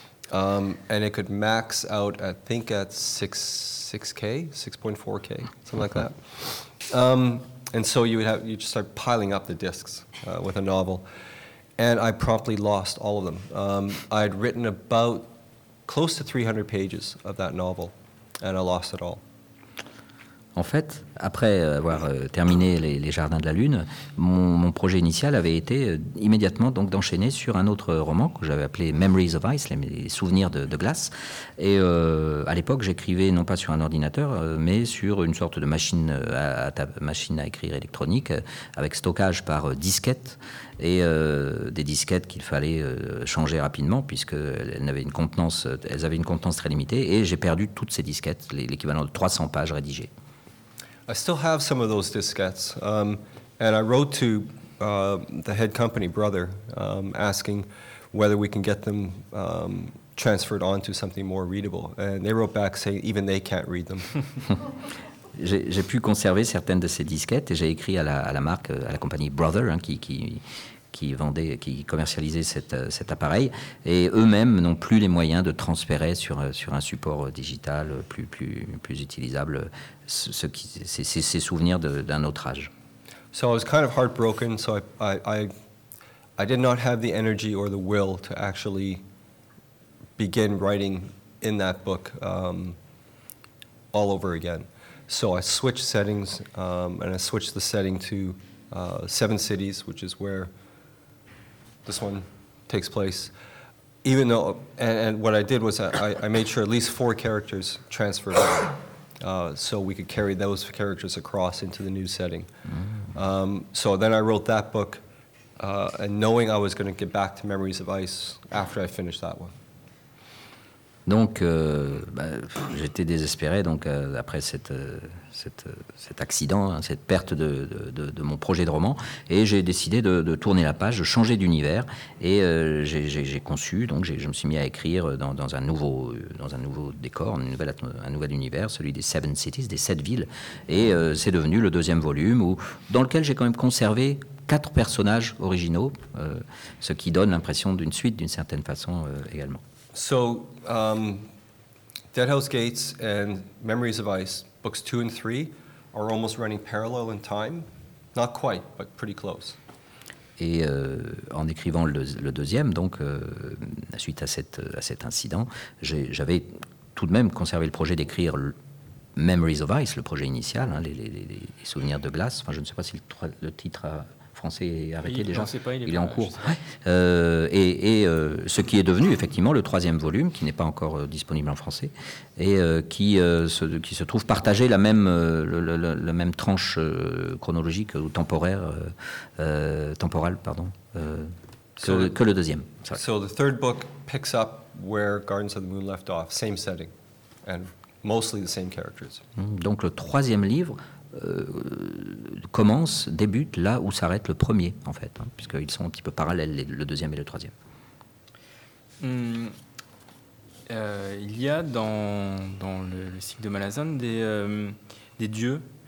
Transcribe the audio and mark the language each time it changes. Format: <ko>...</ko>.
<en>And it could max out, I think, at 6.4K, something like that. And so you would have, you just start piling up the disks with a novel. And I promptly lost all of them. I had written about close to 300 pages of that novel, and I lost it all.</en> <fr>En fait, après avoir terminé les Jardins de la Lune, mon projet initial avait été immédiatement donc d'enchaîner sur un autre roman que j'avais appelé Memories of Ice, les souvenirs de glace. Et à l'époque, j'écrivais non pas sur un ordinateur, mais sur une sorte de machine à écrire électronique avec stockage par disquette et des disquettes qu'il fallait changer rapidement puisque elles avaient une contenance très limitée. Et j'ai perdu toutes ces disquettes, l'équivalent de 300 pages rédigées.</fr> <en>I still have some of those diskettes, and I wrote to the head company, Brother, asking whether we can get them transferred onto something more readable. And they wrote back saying even they can't read them.</en> <fr>J'ai pu conserver certaines de ces disquettes, et j'ai écrit à la marque, à la compagnie Brother, hein, qui commercialisait cet appareil, et eux-mêmes n'ont plus les moyens de transférer sur un support digital plus utilisable ces souvenirs d'un autre âge.</fr> <en>So I was kind of heartbroken, so I did not have the energy or the will to actually begin writing in that book all over again. So I switched settings, and I switched the setting to Seven Cities, which is where this one takes place, even though, and what I did was I made sure at least four characters transferred over, so we could carry those characters across into the new setting. So then I wrote that book, and knowing I was going to get back to Memories of Ice after I finished that one.</en> <fr>Donc, j'étais désespéré. Donc, après cet accident, hein, cette perte de mon projet de roman, et j'ai décidé de tourner la page, de changer d'univers, et j'ai conçu. Donc, je me suis mis à écrire dans un nouveau décor, un nouvel univers, celui des Seven Cities, des sept villes, et c'est devenu le deuxième volume dans lequel j'ai quand même conservé quatre personnages originaux, ce qui donne l'impression d'une suite d'une certaine façon également.</fr> <en>So, Dead House Gates and Memories of Ice, books 2 and 3, are almost running parallel in time. Not quite, but pretty close.</en> <fr>Et en écrivant le deuxième, donc, suite à cet incident, j'avais tout de même conservé le projet d'écrire Memories of Ice, le projet initial, hein, les souvenirs de glace. Enfin, je ne sais pas si le titre a... français est arrêté déjà, il est en cours. Ce qui est devenu effectivement le troisième volume, qui n'est pas encore disponible en français, et qui se trouve partager la même tranche chronologique ou temporelle que le deuxième.</fr> <en>Sorry. So the third book picks up where Gardens of the Moon left off, same setting, and mostly the same characters.</en> <fr>Donc le troisième livre débute là où s'arrête le premier, en fait, hein, puisqu'ils sont un petit peu parallèles, le deuxième et le troisième. Il y a dans le cycle de Malazan des dieux.</fr>